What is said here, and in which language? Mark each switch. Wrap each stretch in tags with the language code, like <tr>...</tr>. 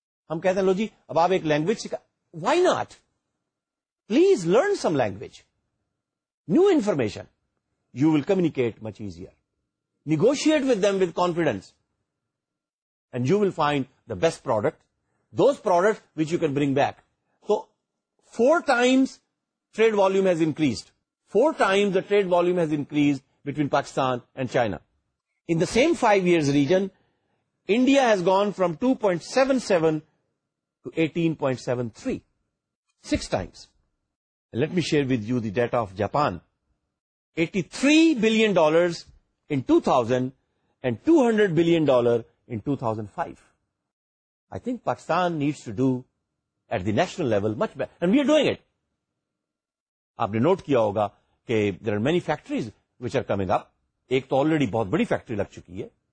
<ur>ہم کہتے ہیں لو جی اب آپ ایک لینگویج سیکھا,</ur> <en>Why not, please learn some language, new information, you will communicate much easier, negotiate with them with confidence, and you will find the best product, those product which you can bring back. تو four times trade volume has increased. Four times the trade volume has increased between Pakistan and China. In the same five years region, India has gone from 2.77 to 18.73. Six times. And let me share with you the data of Japan. $83 billion in 2000 and $200 billion in 2005. I think Pakistan needs to do at the national level much better, and we are doing it.</en> <ur>آپ نے note کیا ہوگا کہ</ur> <en>There are many factories which are coming up.</en> <ur>ایک تو already بہت بڑی factory لگ چکی ہے.</ur>